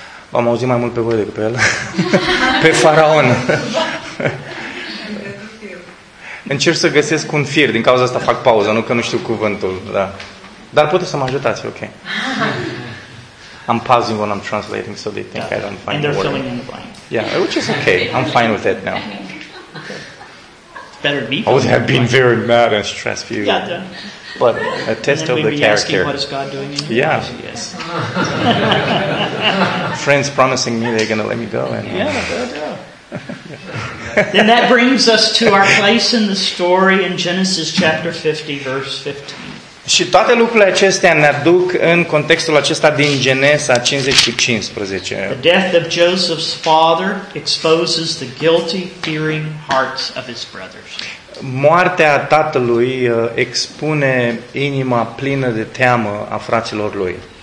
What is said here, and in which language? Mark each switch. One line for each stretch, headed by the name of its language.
Romanian: Am auzit mai mult pe voi decât pe el. Pe faraon. Încerc să găsesc un fir, din cauza asta fac pauză, nu că nu știu cuvântul, da. Dar puteți să mă ajutați, ok.
English: I'm pausing when I'm translating, so they think I don't find the word. And they're filling in the blank. Yeah, which is okay, I'm fine with that now. It's better to be I would have been very mad and stressed for you. Yeah, then. But a test of the character. And then we'd be asking, what is God doing in your life? Yes. Friends promising me they're going to let me go. And, Then that brings us to our place in the story in Genesis chapter 50, verse 15.
Romanian: Și toate lucrurile acestea ne aduc în contextul acesta din Genesa 50:15.
English: The death of Joseph's father exposes the guilty, fearing hearts of his brothers.
Romanian: Moartea tatălui expune inima plină de teamă a fraților lui.